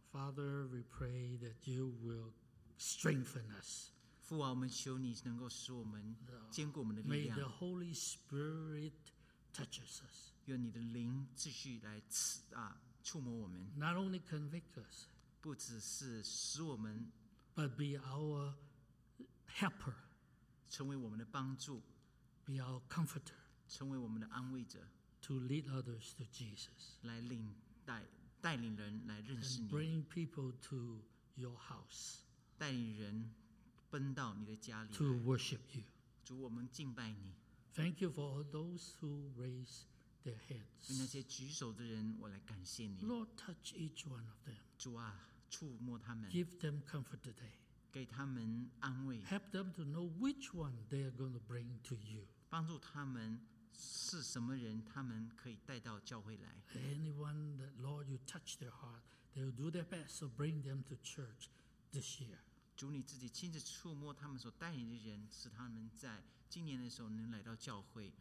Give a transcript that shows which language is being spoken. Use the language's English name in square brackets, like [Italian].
[English] Father, we pray that you will strengthen us. [Chinese] 父啊，我们求你能够使我们坚固我们的力量。 [English] May the Holy Spirit touches us. [Chinese] 愿你的灵继续来触摸我们。 [English] Not only convict us, [Chinese] 不只是使我们 [English] but be our helper, [Chinese] 成为我们的帮助 [English] be our comforter, [Chinese] 成为我们的安慰者 [English] to lead others to Jesus. [Chinese] 来领带领人来认识你 [English] bring people to your house [Chinese] 带领人奔到你的家里 [English] to worship you [Chinese] 主我们敬拜你 [English] thank you for those who raise their hands [Chinese] 为那些举手的人我来感谢你 [English] Lord touch each one of them [Chinese] 主啊触摸他们 [English] give them comfort today [Chinese] 给他们安慰 [English] help them to know which one they are going to bring to you [Chinese] 帮助他们是什么人他们可以带到教会来 [English] Anyone that Lord you touch their heart They will do their best to bring them to church this year [Chinese] 主你自己亲自触摸他们所带领的人使他们在今年的时候能来到教会